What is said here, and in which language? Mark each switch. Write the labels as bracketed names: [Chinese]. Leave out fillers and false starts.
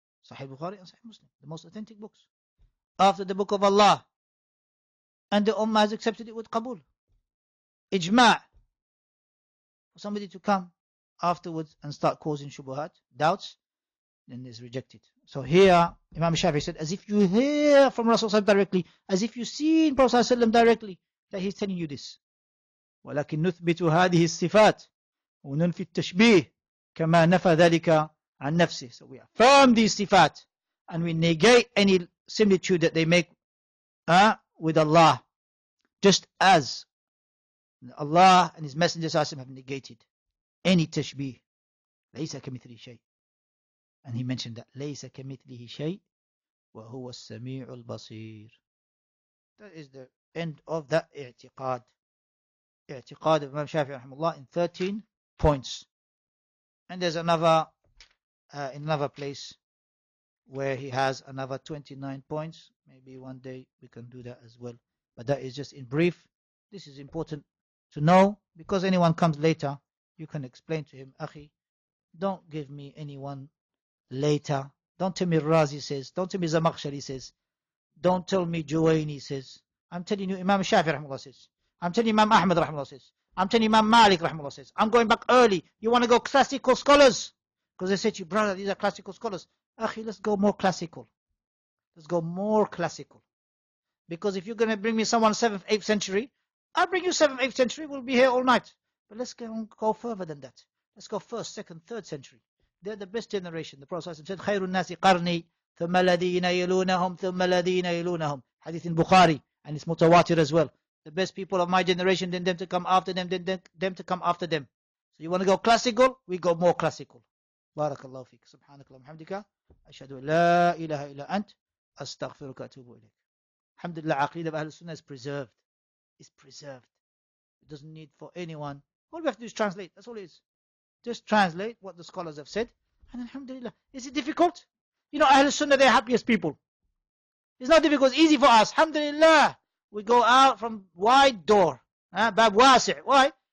[English] Sahih al-Bukhari and Sahih Muslim, the most authentic books after the book of Allah, and the Ummah has accepted it with Qabul, Ijma'. For somebody to come afterwards and start causing shubuhat, doubts, then it's rejected. So here, Imam Shafi said, as if you hear from Rasulullah directly, as if you see in Prophet directly, that he's telling you this. [Arabic] ولكن نثبت هذه الصفات وننفي التشبيه كما نفى ذلك عن نفسه. [English] So we affirm these صفات and we negate any similitude that they make with Allah, just as Allah and His Messenger [Arabic] صلى الله عليه وسلم [English] have negated any تشبيه. [Arabic] ليس كمثله شيء. [English] And he mentioned that [Arabic] ليس كمثله شيء وهو السميع البصير. [English] That is the end of that اعتقاد. اعتقاد of Imam Shafi'i [Arabic] رحمه الله [English] in 13 points. And there's another place where he has another 29 points. Maybe one day we can do that as well. But that is just in brief. This is important to know, because anyone comes later, you can explain to him, أخي, don't give me anyone later. Don't tell me Razi says, don't tell me Zamakhshari says, Don't tell me Juwayni says. I'm telling you Imam Shafi rahimahullah says. I'm telling you Imam Ahmad rahimahullah says. I'm telling Imam Malik rahimahullah says. I'm going back early. You want to go classical scholars? Because they said to you, brother, these are classical scholars. Akhi, let's go more classical. Let's go more classical. Because if you're going to bring me someone 7th, 8th century, I'll bring you 7th, 8th century. We'll be here all night. But let's go further than that. Let's go 1st, 2nd, 3rd century. They're the best generation. The Prophet said, [Arabic] خَيْرُ النَّاسِ قَرْنِي ثُمَّ الَّذِينَ يَلُونَهُمْ ثُمَّ الَّذِينَ يَلُونَهُمْ [English] Hadith in Bukhari. And it's mutawatir as well. The best people of my generation, then them to come after them, then them to come after them. So you want to go classical? We go more classical. [Arabic] بارك الله فيك سبحانك اللهم وبحمدك أشهد أن لا إله إلا أنت أستغفرك وأتوب إليك. الحمد لله عقيدة أهل السنة [English] is preserved. It's preserved. It doesn't need for anyone. All we have to do is translate. That's all it is. Just translate what the scholars have said. And alhamdulillah. Is it difficult? You know, Ahl al-Sunnah, they're happiest people. It's not difficult. It's easy for us. Alhamdulillah. We go out from wide door. Bab wasi'. Why?